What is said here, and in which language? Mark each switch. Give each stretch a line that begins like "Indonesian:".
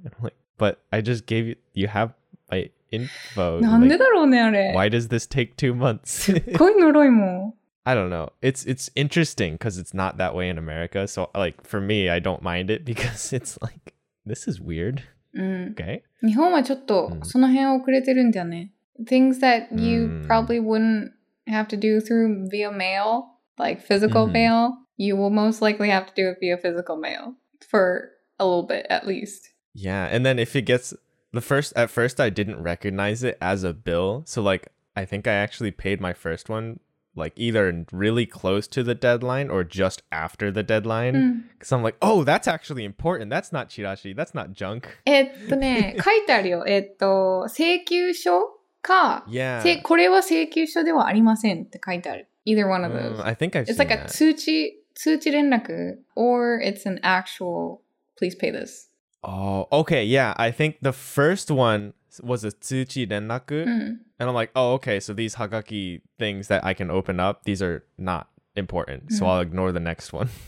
English: And I'm like, but I just gave you, you have my info.
Japanese: なんでだろうねあれ?
English: Why does this take 2 months?
Japanese: すっごい呪いも。
English: I don't know. It's interesting because it's not that way in America. So like for me, I don't mind it because it's like, this is weird. Okay.
Japanese: 日本はちょっとその辺遅れてるんだよね。
English: Things that you、mm. probably wouldn't have to do through via mail, like physical、mm-hmm. mail, you will most likely have to do it via physical mail for a little bit at least. Yeah. And then if it gets the first, at first I didn't recognize it as a bill. So like, I think I actually paid my first one, like either really close to the deadline or just after the deadline. Because、mm. I'm like, oh, that's actually important. That's not chirashi. That's not junk.
Japanese: 書いてあるよ。請求書?か、
English: yeah.
Japanese: これは請求書ではありませんって書いてある。
English: Either one of those. I think I've seen that. It's like a 通知連絡 or it's an actual please pay this. Oh, okay. Yeah, I think the first one was a 通知連絡, and I'm like, oh, okay, so these hagaki things that I can open up, these are not important, so I'll ignore the next one.